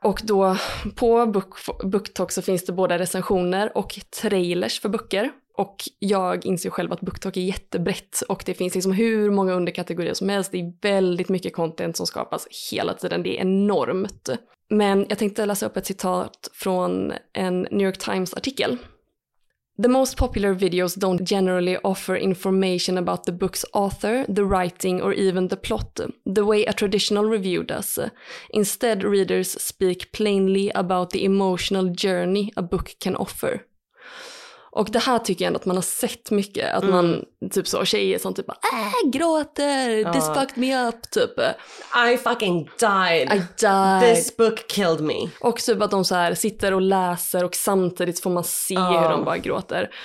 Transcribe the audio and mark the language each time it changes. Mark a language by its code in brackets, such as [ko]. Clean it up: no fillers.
[sv] Och då på BookTok så finns det både recensioner och trailers för böcker. Och jag inser själv att BookTok är jättebrett och det finns liksom hur många underkategorier som helst. Det är väldigt mycket content som skapas hela tiden, det är enormt. Men jag tänkte läsa upp ett citat från en New York Times-artikel. [en] The most popular videos don't generally offer information about the book's author, the writing or even the plot, the way a traditional review does. Instead, readers speak plainly about the emotional journey a book can offer. [sv] Och det här tycker jag ändå att man har sett mycket, att man typ så, tjejer som typ gråter, [en] this fucked me up, [sv] typ. [en] I fucking died. I died. This book killed me. [sv] Och typ att de så här sitter och läser och samtidigt får man se hur de bara gråter.